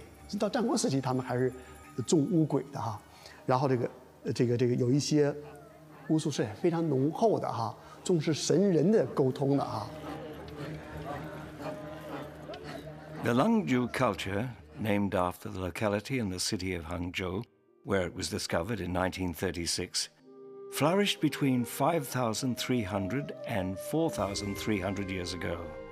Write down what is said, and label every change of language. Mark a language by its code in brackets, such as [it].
[en] Until the Qing period, they are still believing in evil, right? Then this. [zh] 这个有一些巫术是非常浓厚的哈，重视神人的沟通的哈。 [en] The Lungju culture, named after the locality in the city of Hangzhou, where it was discovered in 1936, flourished between 5,300 and 4,300 years ago.